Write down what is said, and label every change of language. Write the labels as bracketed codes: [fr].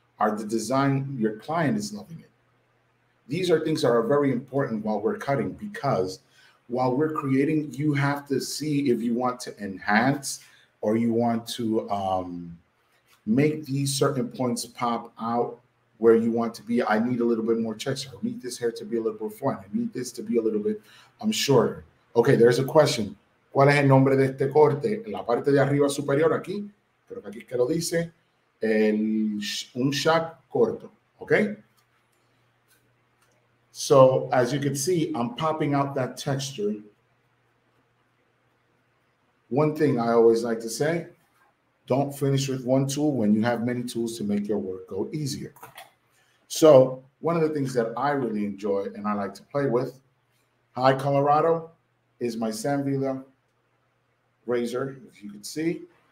[en] Are the design, your client is loving it? These are things that are very important while we're cutting, because while we're creating, you have to see if you want to enhance or you want to make these certain points pop out where you want to be. I need a little bit more texture. I need this hair to be a little bit fun. I need this to be a little bit shorter. Okay, there's a question. [es] ¿Cuál es el nombre de este corte? En la parte de arriba superior aquí, creo que aquí que lo dice, un shag corto, okay? [en] So as you can see, I'm popping out that texture. One thing I always like to say, don't finish with one tool when you have many tools to make your work go easier. So one of the things that I really enjoy and I like to play with, hi Colorado, is my Sanvila razor, if you could see.